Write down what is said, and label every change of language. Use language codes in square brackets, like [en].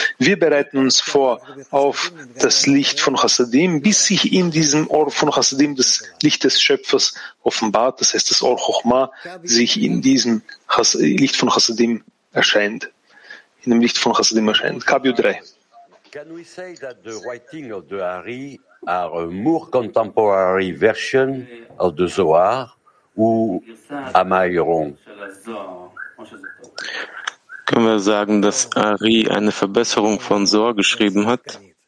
[de] Wir bereiten uns vor auf das Licht von Chassadim, bis sich in diesem Or von Chassadim das Licht des Schöpfers offenbart, das heißt, das Or Chochma sich in diesem Licht von Chassadim erscheint. In dem Licht von Chassadim erscheint. Kabio 3. [en] Can we say that the writing of the Ari are a more contemporary version of the Zohar? Or am I wrong? [de] Können wir sagen, dass Ari eine Verbesserung von Zohar geschrieben hat?